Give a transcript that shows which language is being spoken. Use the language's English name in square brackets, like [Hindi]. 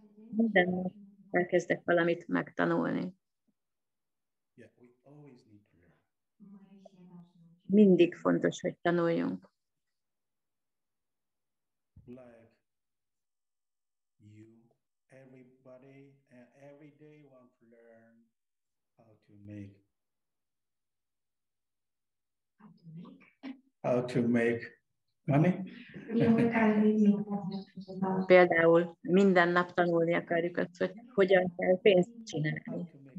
[Hungarian] Minden nap elkezdek valamit megtanulni. [English] Yeah, we always need to learn. [Hungarian] Mindig fontos, hogy tanuljunk. [English] Like you, everybody, every day want to learn how to make money. [Hungarian] Például minden nap tanulni akarjuk azt, hogy hogyan kell pénzt csinálni.